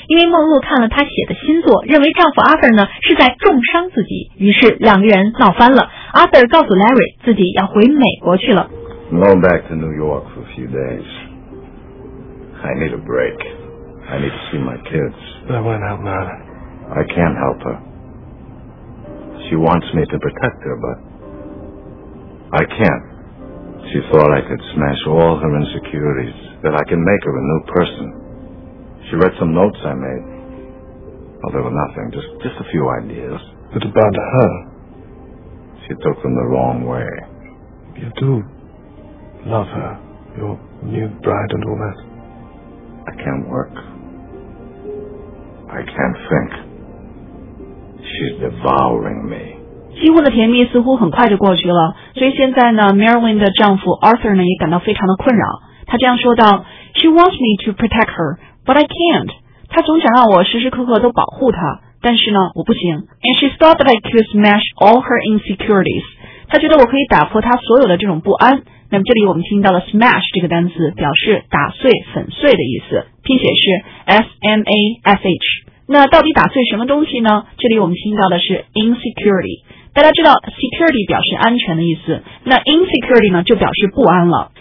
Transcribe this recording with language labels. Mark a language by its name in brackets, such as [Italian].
[Chinese] 因为梦露看了她写的新作，认为丈夫 Arthur 呢是在重伤自己，于是两个人闹翻了。 Arthur 告诉 Larry 自己要回美国去了。 [English] I'm going back to New York for a few days. I need a break. I need to see my kids. That won't help, Matt. I can't help her. She wants me to protect her, but I can't. She thought I could smash all her insecurities, that I can make her a new person. She read some notes I made. Well, they were nothing, just a few ideas. But about her? She took them the wrong way. You do love her, your new bride and all that. I can't work. I can't think. She's devouring me. [Chinese] 几乎的甜蜜似乎很快就过去了，所以现在呢 ，Marilyn 的丈夫 Arthur 呢也感到非常的困扰。他这样说道 ： [English] “She wants me to protect her, but I can't. [Chinese] 她总想让我时时刻刻都保护她，但是呢，我不行。 [English] And she thought that I could smash all her insecurities. [Chinese] 她觉得我可以打破她所有的这种不安。那么这里我们听到了 smash 这个单词，表示打碎、粉碎的意思，拼写是 smash。那到底打碎什么东西呢？这里我们听到的是 insecurity。大家知道 security 表示安全的意思，那 insecurity 呢就表示不安了。